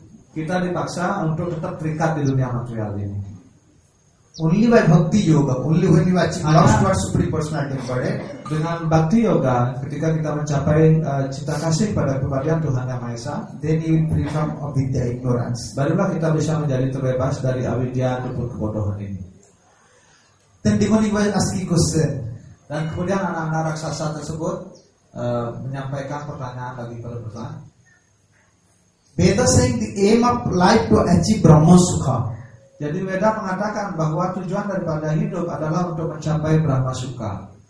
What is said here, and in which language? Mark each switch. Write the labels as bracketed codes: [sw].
[id] Kita dipaksa untuk tetap terikat di dunia material ini. [en] Only by bhakti yoga, only when you achieve love towards Supreme Personality of Godhead. [id] Dengan bhakti yoga, ketika kita mencapai cinta kasih pada kebadian Tuhan Yang Maha Esa, [en] then you will free from avidya ignorance. [id] Barulah kita bisa menjadi terbebas dari avidya ataupun kebodohan ini. [en] Then demonic voice ask you question. [id] Dan kemudian anak-anak raksasa tersebut menyampaikan pertanyaan lagi pada Buddha. [en] Veda saying the aim of life to achieve Brahma Sukha. [id] Jadi Veda mengatakan bahwa tujuan daripada hidup adalah untuk mencapai Brahma Sukha.